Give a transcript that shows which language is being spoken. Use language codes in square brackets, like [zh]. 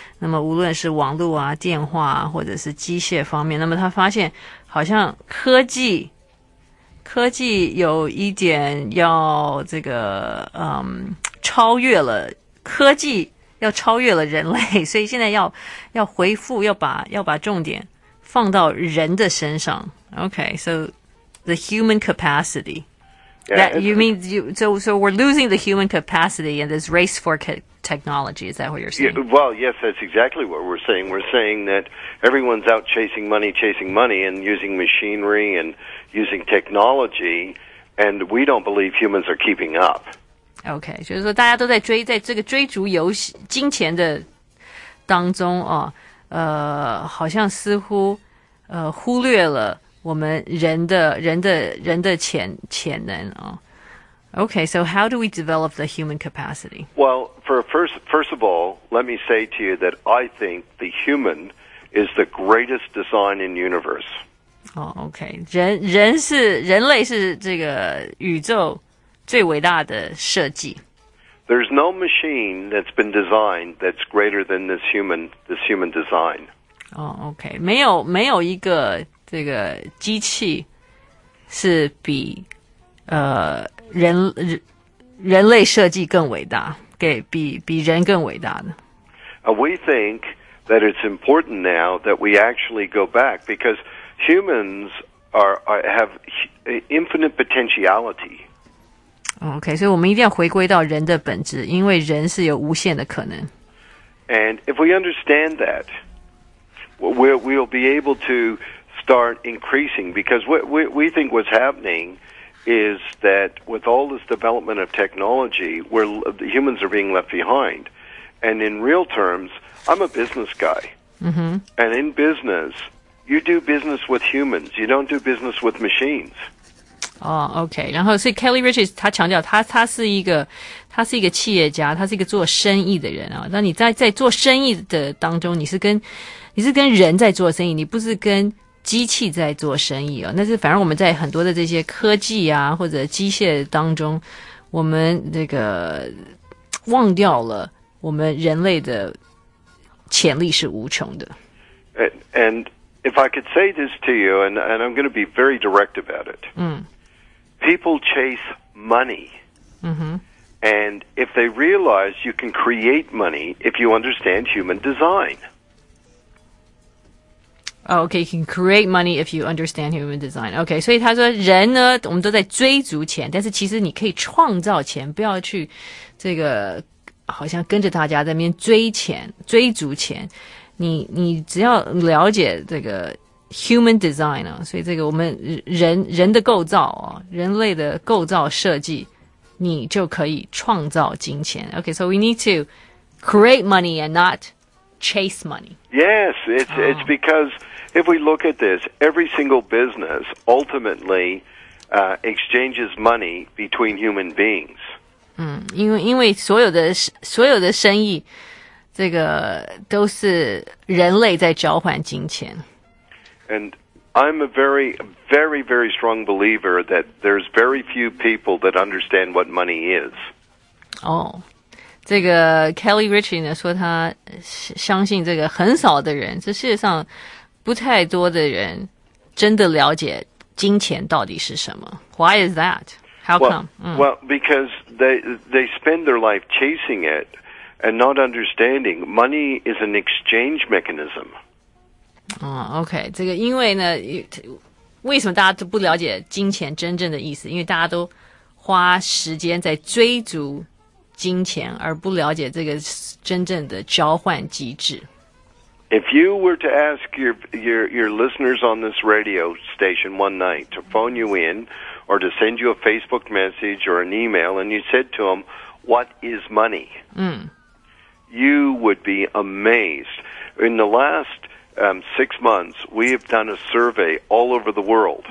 [zh] 那么无论是网络啊、电话啊，或者是机械方面，那么他发现好像科技有一点要这个超越了科技要超越了人类，所以现在要回复，要把重点放到人的身上。 [en] Okay, so the human capacity. That you mean so we're losing the human capacity in this race for technology. Is that what you're saying? Yeah, well, yes, that's exactly what we're saying. We're saying that everyone's out chasing money, and using machinery and using technology, and we don't believe humans are keeping up. [zh] Okay, 就是说大家都在追，在这个追逐游戏金钱的当中啊，好像似乎忽略了我们人的潜能啊。 [en] Okay, so how do we develop the human capacity? Well, first of all, let me say to you that I think the human is the greatest design in the universe. [zh] Oh, okay, 人类是这个宇宙。最伟大的设计。 [en] There's no machine that's been designed that's greater than this human design. Oh, okay. [zh] 没有一个这个机器是比人类设计更伟大，比人更伟大的。 [en] We think that it's important now that we actually go back because humans have infinite potentiality. [zh] OK, 所以我们一定要回归到人的本质，因为人是有无限的可能。 [en] And if we understand that, we'll be able to start increasing, because we think what's happening is that with all this development of technology, humans are being left behind. And in real terms, I'm a business guy.、 Mm-hmm. And in business, you do business with humans. You don't do business with machines. [zh] Oh, okay. 然后所以 Kelly Richards 他强调他是一个企业家，他是一个做生意的人啊。那你在做生意的当中，你是跟人在做生意，你不是跟机器在做生意啊。那是反而我们在很多的这些科技啊或者机械当中，我们这个忘掉了我们人类的潜力是无穷的。 [en] And if I could say this to you, and I'm going to be very direct about it. Mm. People chase money. Mm-hmm. And if they realize you can create money if you understand human design. Oh, okay, you can create money if you understand human design. [zh] Okay, 所以他说人呢我们都在追逐钱，但是其实你可以创造钱，不要去这个好像跟着大家在那边追逐钱。你只要了解这个Human design 啊，所以这个我们人的构造啊，人类的构造设计，你就可以创造金钱。 [en] Okay, so we need to create money and not chase money. Yes, it's because if we look at this, every single business ultimately exchanges money between human beings. [zh] 嗯，因为所有的生意，这个都是人类在交换金钱。 [en] And I'm a very, very, very strong believer that there's very few people that understand what money is. [zh] Oh, 这个 Kelly Ritchie 呢说他相信这个很少的人，这世界上不太多的人真的了解金钱到底是什么。 [en] Why is that? How come? Well, because they spend their life chasing it and not understanding money is an exchange mechanism. [zh] OK, 这个因为呢为什么大家都不了解金钱真正的意思，因为大家都花时间在追逐金钱而不了解这个真正的交换机制。 [en] If you were to ask your listeners on this radio station one night to phone you in or to send you a Facebook message or an email and you said to them, what is money?、 Mm. You would be amazed. In the last... six months, we have done a survey all over the world,、